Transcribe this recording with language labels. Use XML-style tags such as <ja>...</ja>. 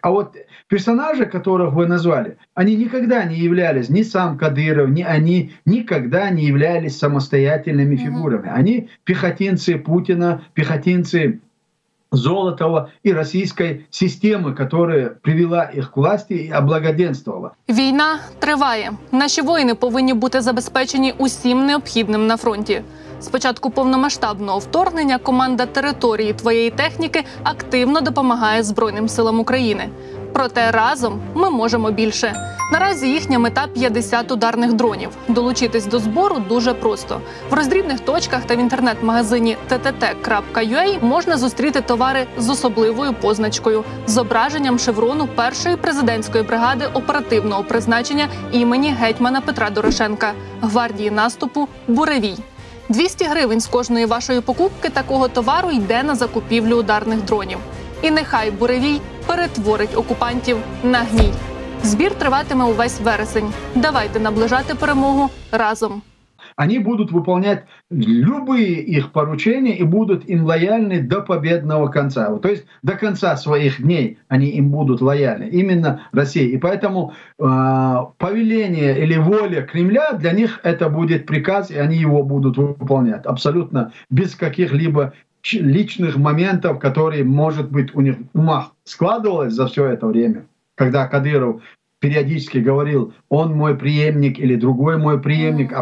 <ru>А вот персонажи, которых вы назвали, они никогда не являлись, ни сам Кадыров, ни они, никогда не являлись самостоятельными фигурами. Они пехотинцы Путина, пехотинцы Золотова и российской системы, которая привела их к власти и облагоденствовала.</ru> <uk>Війна триває. Наші воїни повинні бути забезпечені усім необхідним на фронті. З початку повномасштабного вторгнення команда території твоєї техніки активно допомагає Збройним силам України. Проте разом ми можемо більше. Наразі їхня мета – 50 ударних дронів. Долучитись до збору дуже просто. В роздрібних точках та в інтернет-магазині ttt.ua можна зустріти товари з особливою позначкою – зображенням шеврону першої президентської бригади оперативного призначення імені гетьмана Петра Дорошенка – гвардії наступу «Буревій». 200 гривень з кожної вашої покупки такого товару йде на закупівлю ударних дронів. І нехай «Буревій» перетворить окупантів на гній. Збір триватиме увесь вересень. Давайте наближати перемогу разом.</uk> <ru>Они будут выполнять любые их поручения и будут им лояльны до победного конца. То есть до конца своих дней они им будут лояльны, именно России. И поэтому повеление или воля Кремля для них это будет приказ, и они его будут выполнять абсолютно без каких-либо личных моментов, которые, может быть, у них в умах складывались за все это время, когда Кадыров периодически говорил, он мой преемник или другой мой преемник.</ru>